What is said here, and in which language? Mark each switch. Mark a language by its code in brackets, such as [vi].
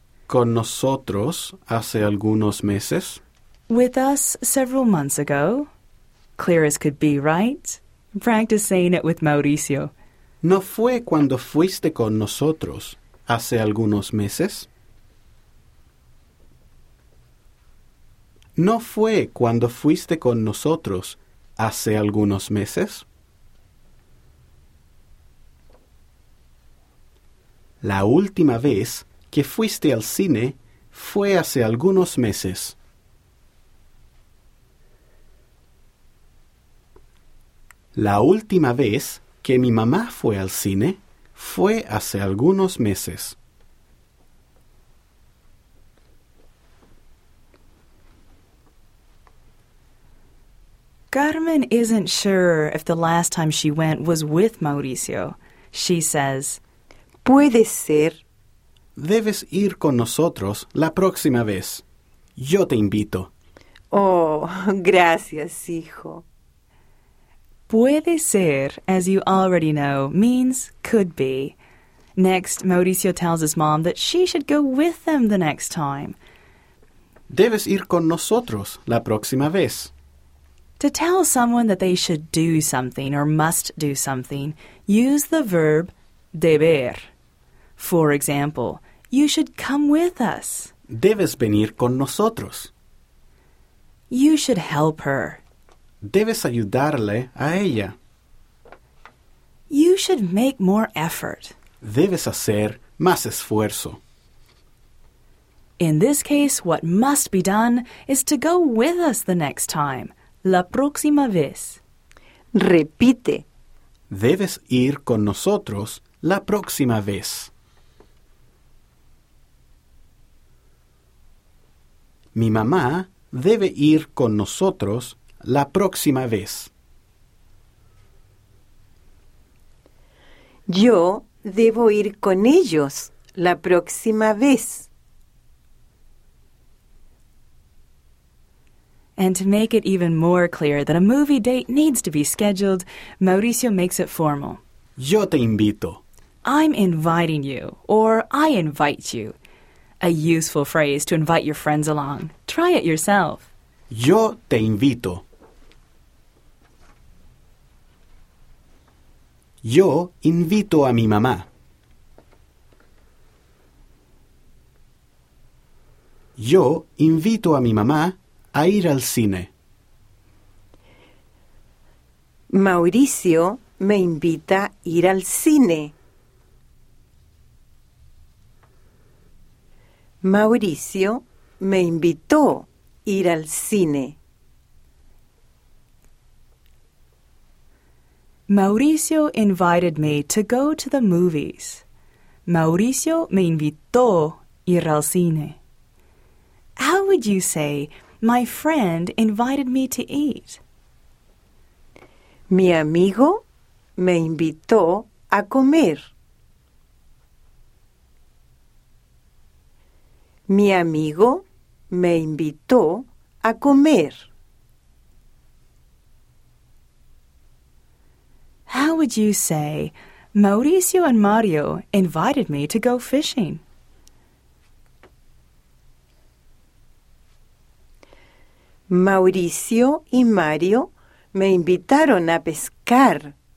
[es] Con nosotros hace algunos meses. [en] With us several months ago. Clear as could be, right? Practice saying it with Mauricio. [es] No fue cuando fuiste con nosotros hace algunos meses. No fue cuando fuiste con nosotros. ¿Hace algunos meses? La última vez que fuiste al cine fue hace algunos meses. La última vez que mi mamá fue al cine fue hace algunos meses. [en] Carmen isn't sure if the last time she went was with Mauricio. She says, [es] Puede ser. Debes ir con nosotros la próxima vez. Yo te invito. Oh, gracias, hijo. Puede ser, [en] as you already know, means could be. Next, Mauricio tells his mom that she should go with them the next time. [es] Debes ir con nosotros la próxima vez. [en] To tell someone that they should do something or must do something, use the verb deber. For example, you should come with us. [es] Debes venir con nosotros. [en] You should help her. [es] debes ayudarle a ella. [en] You should make more effort. [es] Debes hacer más esfuerzo. [en] In this case, what must be done is to go with us the next time, [es] la próxima vez. Repite. Debes ir con nosotros la próxima vez. Mi mamá debe ir con nosotros la próxima vez. Yo debo ir con ellos la próxima vez. [en] And to make it even more clear that a movie date needs to be scheduled, Mauricio makes it formal. [es] Yo te invito. [en] I'm inviting you, or I invite you. A useful phrase to invite your friends along. Try it yourself. [es] Yo te invito. Yo invito a mi mamá. Yo invito a mi mamá a ir al cine. Mauricio me invita a ir al cine. Mauricio me invitó a ir al cine. [en] Mauricio invited me to go to the movies. [es] Mauricio me invitó ir al cine. [en] How would you say, my friend invited me to eat? [es] Mi amigo me invitó a comer. Mi amigo me invitó a comer. [en] How would you say, Mauricio and Mario invited me to go fishing? [es] Mauricio y Mario me invitaron a pescar.